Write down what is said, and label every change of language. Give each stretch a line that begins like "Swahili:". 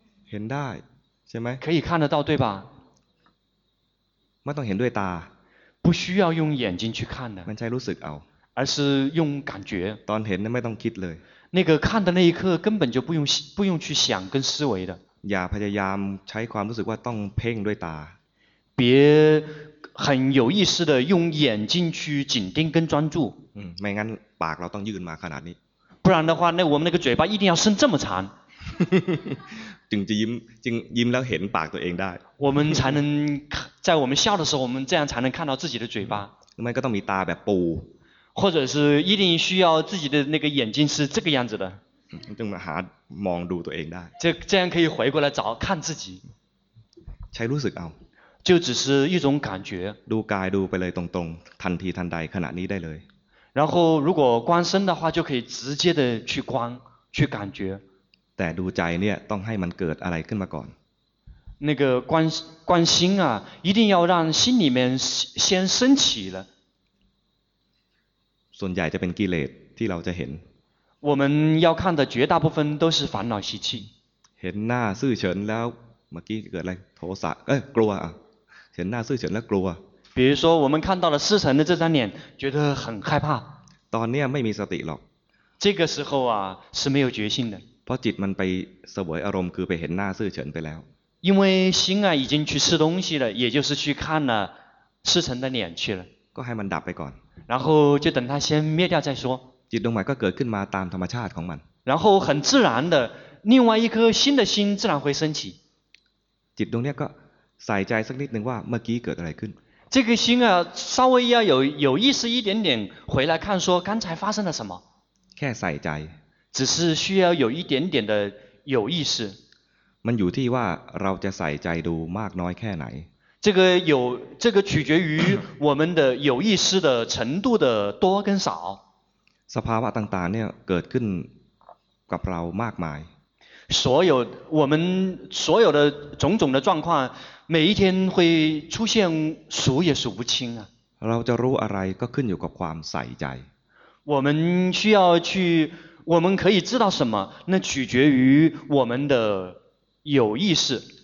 Thai: เห็นได้ใช่ไหม
Chinese: 可以看得到对吧
Thai: ไม่ต้องเห็นด้วยตา
Chinese: 不需要用眼睛去看的
Thai: มันใช่รู้สึกเอา
Chinese: 而是用感觉
Thai: ตอนเห็นไม่ต้องคิดเลย
Chinese: 那个看的那一刻根本就不用去想跟思维的
Thai: อย่าพยายามใช้ความรู้สึกว่าต้องเพ่งด้วยตา
Chinese: 别很有意思的用眼睛去紧盯跟专注。
Thai: 嗯，ไม่งั้นปากเราต้องยืนมาขนาดนี้
Chinese: 不然的话那我们那个嘴巴一定要伸这么长
Thai: จึงจะยิ้มจึงยิ้มแล้วเห็นปากตัวเองได้
Chinese: 我们才能在我们笑的时候我们这样才能看到自己的嘴巴
Thai: ไม่ก็ต้องมีตาแบบปู
Chinese: 或者是一定需要自己的那个眼睛是这个样子的
Thai: จึงมาหามองดูตัวเองได้
Chinese: 这样可以回过来找看自己
Thai: ใช้รู้สึกเอา
Chinese: 就只是一种感觉
Thai: ดูกายดูไปเลยตรงๆทันทีทันใดขณะนี้ได้เลย
Chinese: 然后如果观身的话就可以直接的去观去感觉
Thai: แต่ดูใจเนี่ยต้องให้มันเกิดอะไรขึ้นมาก่อน
Chinese: 那个观心啊一定要让心里面先升起了
Thai: ส่วนใหญ่จะเป็นกิเลสที่เราจะเห็น
Chinese: 我们要看的绝大部分都是烦恼习气
Thai: เห็นหน้าซื่อเฉินแล้วเมื่อกี้เกิดอะไรโทสะเอ้ยกลัวอ่ะเห็นหน้าซื่อเฉินแล้วกลัว
Chinese: 比如说我们看到了师承的这张脸觉得很害怕
Thai: ตอนเนี้ยไม่มีสติหรอก
Chinese: 这个时候啊是没有决心的
Thai: เพราะจิตมันไปเสวยอารมณ์คือไปเห็นหน้าซื่อเฉินไปแล้ว
Chinese: 因为心啊已经去吃东西了也就是去看了师承的脸去了
Thai: ก็ให้มันดับไปก่อน
Chinese: 然后就等它先灭掉再说
Thai: จิตดวงใหม่ก็เกิดขึ้นมาตามธรรมชาติของมัน
Chinese: 然后很自然的另外一颗新的心自然会升起
Thai: จิตดวงเนี้ยก็ใส่ใจสักนิดนึงว่าเมื่อกี้เกิดอะไรขึ้น
Chinese: 这个心啊稍微要有意识一点点回来看说刚才发生了什么
Thai: แค่ใส่ใจ
Chinese: 只是需要有一点点的有意识
Thai: มันอยู่ที่ว่าเราจะใส่ใจดูมากน้อยแค่ไหน
Chinese: 这个取决于我们的有意识的程度的多跟少
Thai: สภาวะต่างๆเนี่ยเกิดขึ้นกับเรามากมาย
Chinese: 所有的种种的状况每一天会出现数也数不清啊
Thai: เราจะรู้อะไรก็ขึ้นอยู่กับความใส่ใจ
Chinese: 我们可以知道什么那取决于我们的有意识